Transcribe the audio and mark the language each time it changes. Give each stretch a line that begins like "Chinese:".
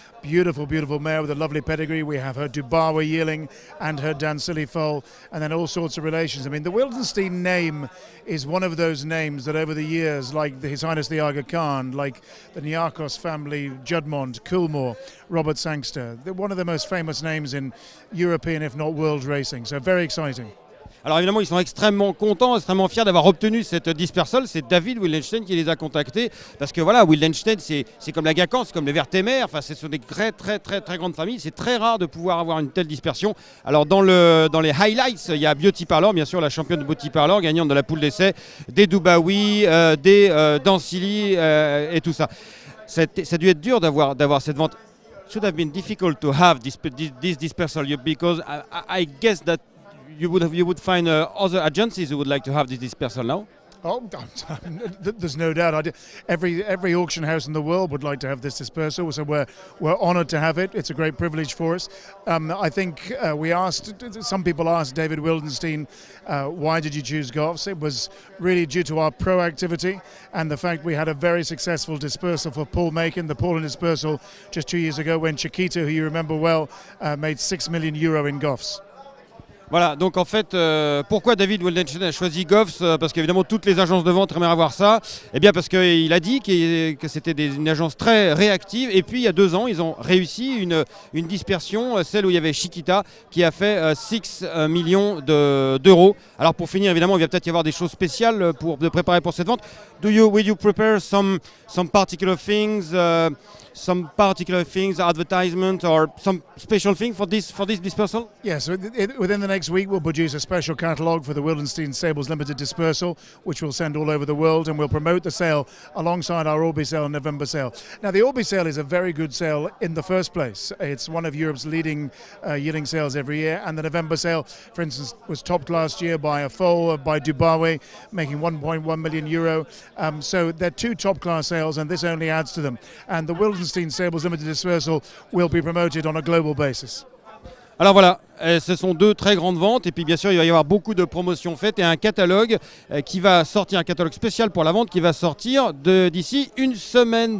English: Beautiful, beautiful mare with a lovely pedigree. We have her Dubawa yearling and her Dansilly foal, and then all sorts of relations. I mean, the Wildenstein name is one of those names that over the years, like His Highness the Aga Khan, like the Niarchos family, Judmont, Coolmore, Robert Sangster, they're one of the most famous names in European, if not world, racing. So very exciting.
French: Alors évidemment, ils sont extrêmement contents, extrêmement fiers d'avoir obtenu cette dispersal. C'est David Wildenstein qui les a contactés. Parce que voilà, Wildenstein, c'est comme la Gacan, c'est comme les Vertemer. Enfin, ce sont des très, très, très, très grandes familles. C'est très rare de pouvoir avoir une telle dispersion. Alors dans les highlights, il y a Beauty Parlor, bien sûr, la championne de Beauty Parlor, gagnante de la poule d'essai, des Dubawi, des Dansilly et tout ça. Ça a dû être dur d'avoir cette vente.
English: It should have been difficult to have this dispersal, because I guess that you would find other agencies who would like to have this dispersal now. Oh, there's no doubt. Every auction house in the world would like to have this dispersal, so we're honored to have it. It's a great privilege for us. I think some people asked David Wildenstein, why did you choose Goffs? It was really due to our proactivity and the fact we had a very successful dispersal for Paul Macon, the Paulin dispersal, just 2 years ago when Chiquita, who you remember well, made €6 million in Goffs.
French: Voilà, donc en fait, pourquoi David Wildenstein a choisi Goffs? Parce qu'évidemment, toutes les agences de vente aimeraient avoir ça. Eh bien, parce qu'il a dit que c'était une agence très réactive. Et puis, il y a 2 ans, ils ont réussi une dispersion, celle où il y avait Chiquita, qui a fait 6 millions d'euros. Alors, pour finir, évidemment, il va peut-être y avoir des choses spéciales de préparer pour cette vente.
English: Will you prepare some particular things, advertisement, or some special thing for this dispersal? Yes, within the next week we'll produce a special catalogue for the Wildenstein Stables Limited Dispersal, which we'll send all over the world, and we'll promote the sale alongside our Orby sale and November sale. Now, the Orby sale is a very good sale in the first place. It's one of Europe's leading yearling sales every year, and the November sale, for instance, was topped last year by a foal by Dubawi, making €1.1 million. So they're two top-class sales, and this only adds to them. And the Wildenstein Stables Limited Dispersal will be promoted on a global basis.
French: Alors voilà, ce sont deux très grandes ventes, et puis bien sûr il va y avoir beaucoup de promotions faites et un catalogue qui va sortir, un catalogue spécial pour la vente qui va sortir d'ici une semaine.